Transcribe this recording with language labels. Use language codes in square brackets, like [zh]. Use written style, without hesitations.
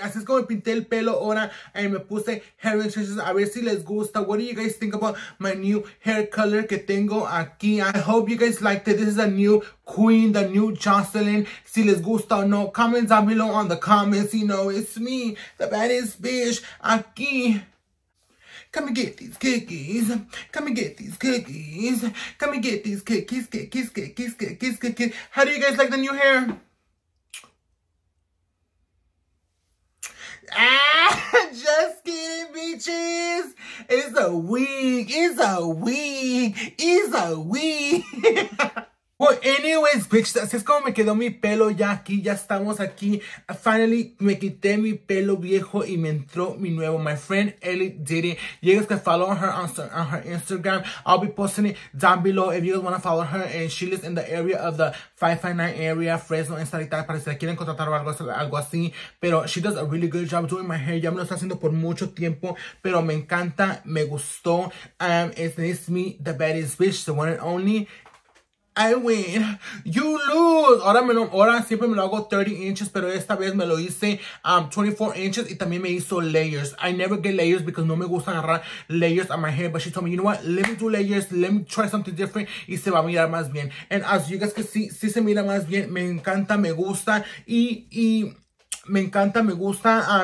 [es] Así es como pinté el pelo ahora y me puse [en] hair extensions. [es] A ver si les gusta. [en] What do you guys think about my new hair color [es] que tengo aquí? [en] I hope you guys liked it. This is a new queen, the new Jocelyn. [es] Si les gusta o no, [en] comment down below on the comments. You know, it's me, the baddest bitch aquí. Come and get these cookies. Come and get these cookies. Come and get these cookies, cookies, cookies, cookies, cookies, cookies. How do you guys like the new hair? Just kidding, bitches. It's a wig. It's a wig. It's a wig. Well, anyways, bitch, [es] así es como me quedó mi pelo ya aquí, ya estamos aquí. Finally, me quité mi pelo viejo y me entró mi nuevo. [en] My friend Ellie did it. You guys can follow her on her Instagram. I'll be posting it down below if you guys want to follow her. And she lives in the area of the 559 area, Fresno, en Salita, [es] para si la quieren contratar o algo así. Pero [en] she does a really good job doing my hair. [es] Ya me lo está haciendo por mucho tiempo, pero me encanta, me gustó. [en] It's me, the baddest bitch, the one and only. I win, you lose. [es] Ahora siempre me lo hago 30 inches, pero esta vez me lo hice 24 inches y también me hizo layers. [en] I never get layers because [es] no me gusta agarrar [en] layers on my hair, but she told me, you know what, let me do layers, let me try something different [es] y se va a mirar más bien. [en] And as you guys can see, [es] sí se mira más bien, me encanta, me gusta y me encanta, me gusta.